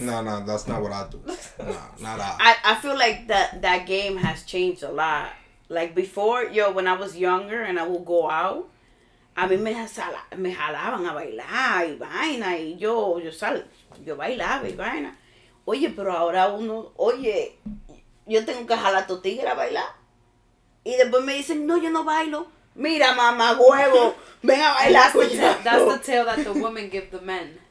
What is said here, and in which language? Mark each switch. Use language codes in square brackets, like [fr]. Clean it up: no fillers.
[en] No, that's not what I do. I feel like that game has changed a lot. Like before, yo, when I was younger and I would go out, [es] a mí me jalaban a bailar y vaina y yo bailaba y vaina. Oye, pero ahora uno, oye, yo tengo que jalar a tu tigre a bailar. Y después me dicen, no, yo no bailo. Mira, mamá, huevo, ven a bailar con yo. [en] That's the tale that the women give the men.